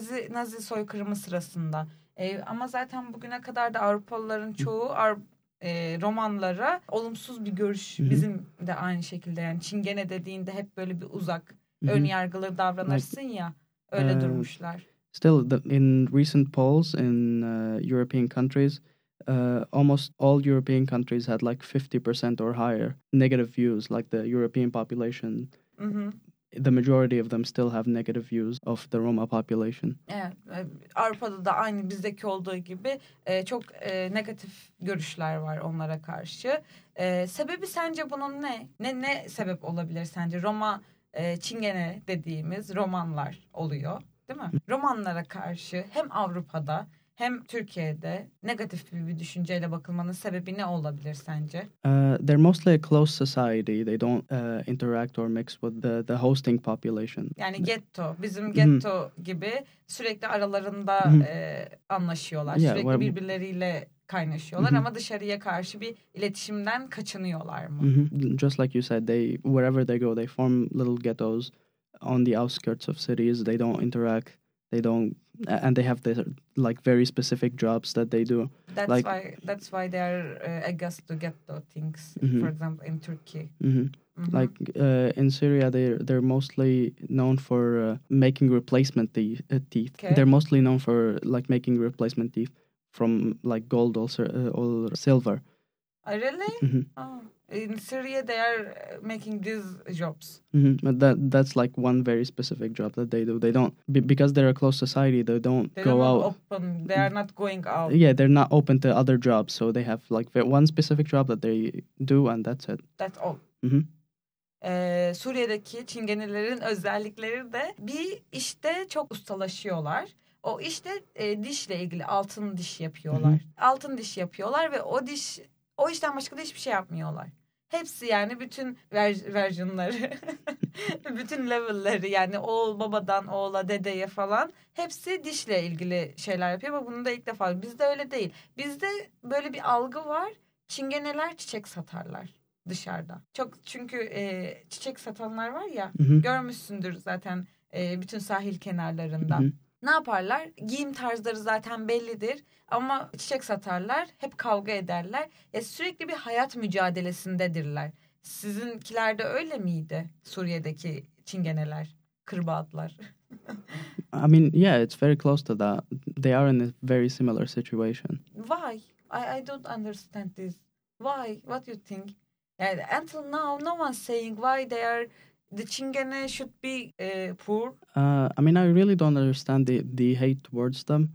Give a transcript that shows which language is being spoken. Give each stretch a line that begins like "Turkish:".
Turkish: Nazi soykırımı sırasında. Ama zaten bugüne kadar da Avrupalıların çoğu Romanlara olumsuz bir görüş. Bizim de aynı şekilde. Yani çingene dediğinde hep böyle bir uzak, ön yargılı davranırsın ya. Öyle durmuşlar.
English: Still, in recent polls in European countries, almost all European countries had like 50% or higher negative views, like the European population. The majority of them still have negative views of the Roma population.
Turkish: Evet, Avrupa'da da aynı bizdeki olduğu gibi çok negatif görüşler var onlara karşı. Sebebi sence bunun ne? Ne sebep olabilir sence? Roma çingene dediğimiz Romanlar oluyor, değil mi? Romanlara karşı hem Avrupa'da hem Türkiye'de negatif bir düşünceyle bakılmanın sebebi ne olabilir sence?
English: They're mostly a closed society. They don't interact or mix with the hosting population.
Turkish: Yani ghetto, bizim ghetto gibi sürekli aralarında anlaşıyorlar. Yeah, sürekli birbirleriyle kaynaşıyorlar ama dışarıya karşı bir iletişimden kaçınıyorlar mı?
English: Just like you said, wherever they go, they form little ghettos on the outskirts of cities. They don't interact. They don't, and they have their like very specific jobs that they do. That's why they are against the ghetto things. Mm-hmm. For example, in Turkey, Like in Syria, they're mostly known for making replacement teeth. Okay. They're mostly known for like making replacement teeth from like gold or silver. Really? In Syria, they are making these jobs. But that's like one very specific job that they do. They don't, because they're a closed society, they don't go out. Open. They are not going out. Yeah, they're not open to other jobs. So they have like one specific job that they do and that's it. That's all.
Turkish: Suriye'deki çingenelerin özellikleri de bir işte çok ustalaşıyorlar. O işte dişle ilgili altın diş yapıyorlar. Altın diş yapıyorlar ve o diş... O işten başka da hiçbir şey yapmıyorlar. Hepsi yani bütün versionları, bütün levelleri yani oğul babadan oğula dedeye falan hepsi dişle ilgili şeyler yapıyor. Ama bunu da ilk defa bizde öyle değil. Bizde böyle bir algı var. Çingeneler çiçek satarlar dışarıda. Çok çünkü çiçek satanlar var ya görmüşsündür zaten bütün sahil kenarlarında. Ne yaparlar? Giyim tarzları zaten bellidir. Ama çiçek satarlar, hep kavga ederler. Ya sürekli bir hayat mücadelesindedirler. Sizinkiler de öyle miydi? Suriye'deki çingeneler, kırbaatlar.
English: I mean, yeah, it's very close to that. They are in a very similar situation. Why? I don't understand this. Why? What do you think? And until now, no one's saying why they are... The Çingene should be poor. I mean, I really don't understand the hate towards them.